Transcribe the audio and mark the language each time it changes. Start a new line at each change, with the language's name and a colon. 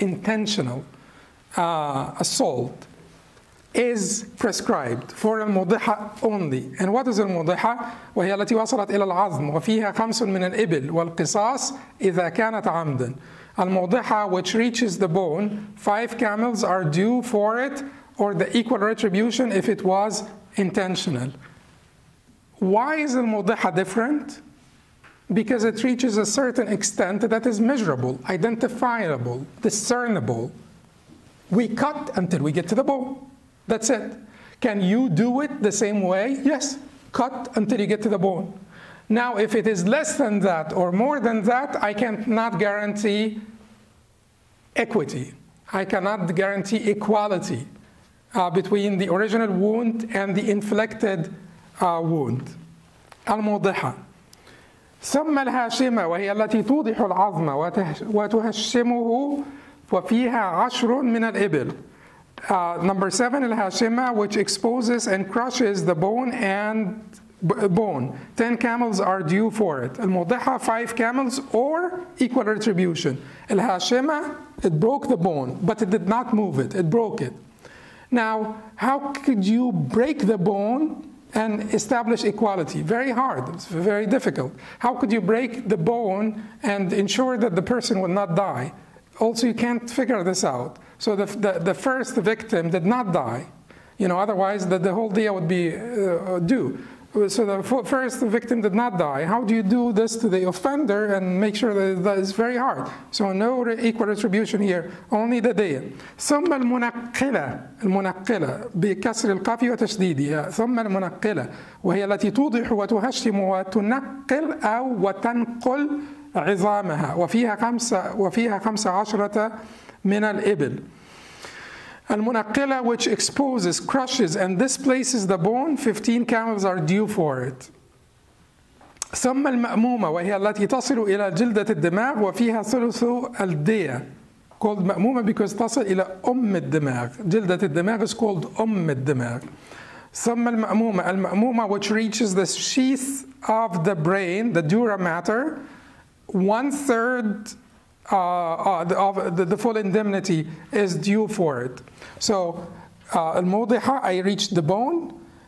English: Intentional assault is prescribed for المضحة only. And what is
Arabic: المضحة؟ وهي التي وصلت إلى العظم وفيها خمس من الإبل والقصاص إذا كانت عمدا.
English: المضحة which reaches the bone, five camels are due for it, or the equal retribution if it was intentional. Why is المضحة different? Because it reaches a certain extent that is measurable, identifiable, discernible. We cut until we get to the bone. That's it. Can you do it the same way? Yes, cut until you get to the bone. Now, if it is less than that or more than that, I cannot guarantee equity. I cannot guarantee equality between the original wound and the inflicted wound.
Arabic: المضحة. ثم الهاشمة وهي التي توضح العظم وتهشمه وفيها عشر من الإبل.
English: Number seven, الهاشمة, which exposes and crushes the bone and bone. 10 camels are due for it. المضحة, five camels or equal retribution. الهاشمة, it broke the bone, but it did not move it. It broke it. Now, how could you break the bone and establish equality? Very hard, it's very difficult. How could you break the bone and ensure that the person would not die? Also, you can't figure this out. So the first victim did not die. You know, otherwise the whole deal would be due. So the first victim did not die. How do you do this to the offender and make sure that is very hard? So no equal retribution here, only the day.
Arabic: ثم المنقلة, المنقلة بكسر القاف وتشديدها. ثم المنقلة وهي التي توضح وتهشم وتنقل أو وتنقل عظامها وفيها خمسة عشرة من الإبل. المنقلة which exposes, crushes, and displaces the bone, 15 camels are due for it. ثم المأمومة وهي التي تصل إلى جلدة الدماغ وفيها ثلث الدية.
English: Called
Arabic: مأمومة
English: because
Arabic: تصل إلى أم الدماغ. جلدة الدماغ
English: is called
Arabic: أم الدماغ.
English: ثم المأمومة, المأمومة which reaches the sheath of the brain, the dura mater, one third of the full indemnity is due for it. So, المضحة, I reached the bone.